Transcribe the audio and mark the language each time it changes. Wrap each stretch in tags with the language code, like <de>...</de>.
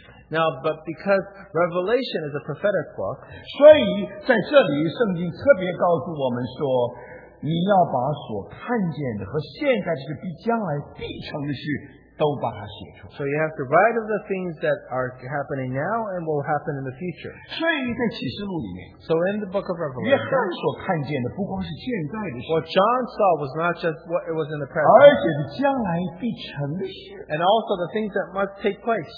<en>Now, but because Revelation is a prophetic book,</en> <zh>所以在这里, 圣经特别告诉我们说, 你要把所看见的和现在这个比将来必成的事,</zh> <en>So you have to write of the things that are happening now and will happen in the future. So in the book of Revelation, what John saw was not just what it was in the present, and also the things that must take place.</en>